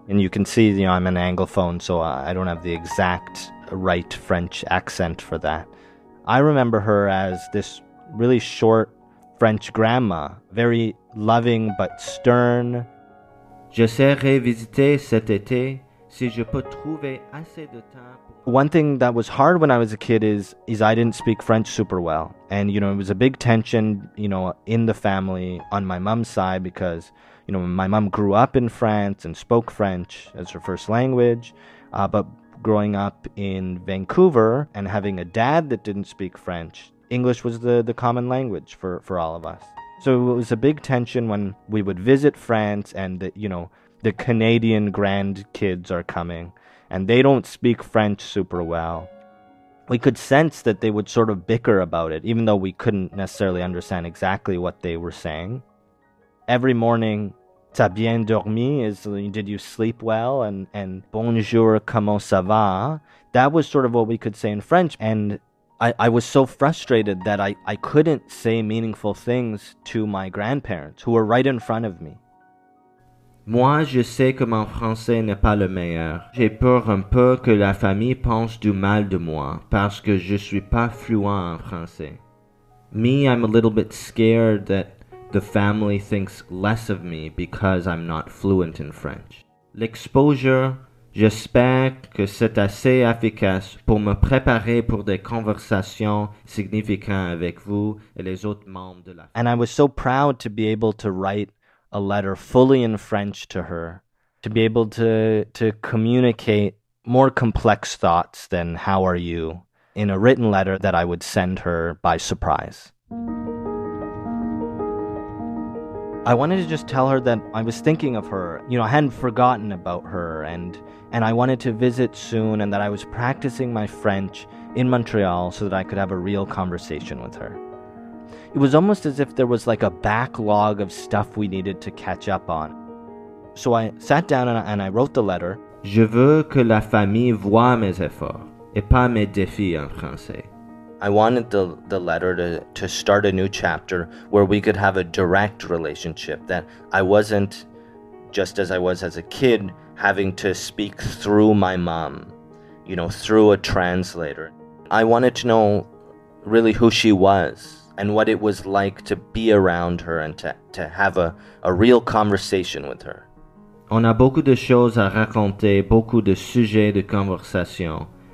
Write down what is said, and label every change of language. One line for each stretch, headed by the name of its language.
English: And you can see, you know, I'm an Anglophone, so I don't have the exact right French accent for that. I remember her as this really short French grandma, very loving but stern.
French: J'essaierai visiter cet été si je peux trouver assez de temps.
English: One thing that was hard when I was a kid is I didn't speak French super well. And, you know, it was a big tension, you know, in the family on my mom's side because, you know, my mom grew up in France and spoke French as her first language. But growing up in Vancouver and having a dad that didn't speak French, English was the common language for all of us. So it was a big tension when we would visit France and, the Canadian grandkids are coming and they don't speak French super well. We could sense that they would sort of bicker about it, even though we couldn't necessarily understand exactly what they were saying. Every morning,
French: t'as bien dormi,
English: is did you sleep well? And
French: bonjour, comment ça va?
English: That was sort of what we could say in French. And I was so frustrated that I couldn't say meaningful things to my grandparents who were right in front of me.
French: Moi, je sais que mon français n'est pas le meilleur. J'ai peur un peu que la famille pense du mal de moi parce que je suis pas fluent en français.
English: Me, I'm a little bit scared that the family thinks less of me because I'm not fluent in French.
French: L'exposure, j'espère que c'est assez efficace pour me préparer pour des conversations significantes avec vous et les autres membres de la famille.
English: And I was so proud to be able to write a letter fully in French to her, to be able to communicate more complex thoughts than how are you in a written letter that I would send her by surprise. I wanted to just tell her that I was thinking of her. You know, I hadn't forgotten about her, and I wanted to visit soon, and that I was practicing my French in Montreal so that I could have a real conversation with her. It was almost as if there was like a backlog of stuff we needed to catch up on. So I sat down and I wrote the letter.
French: Je veux que la famille voie mes efforts et pas mes défis en français.
English: I wanted the letter to start a new chapter where we could have a direct relationship, that I wasn't, just as I was as a kid, having to speak through my mom, you know, through a translator. I wanted to know really who she was and what it was like to be around her and to have a real conversation with her.
French: On a beaucoup de choses à raconter, beaucoup de sujets de conversation.